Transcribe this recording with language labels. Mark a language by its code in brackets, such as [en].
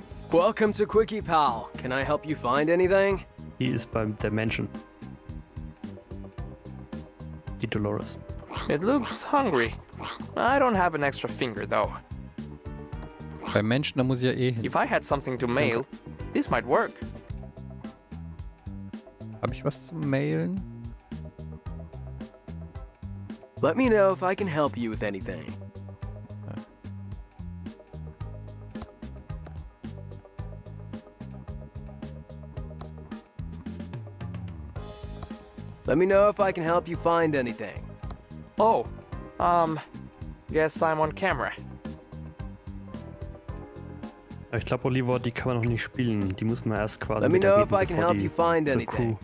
[en] Welcome to Quickie Pal. Can I help you find anything? [de] Die ist beim Dimension. Die Dolores. [en] It looks hungry. I don't have an extra finger though. [de] Beim Menschen, da muss ich ja eh hin. [en] If I had something to mail, this might work. [de] Hab ich was zum Mailen? [en] Let me know if I can help you with anything. Let me know if I can help you find anything. Oh, yes, I'm on camera. [de] Ich glaube, Oliver, die kann man noch nicht spielen. Die muss man erst quasi. [en] Let me know if I can help you find anything.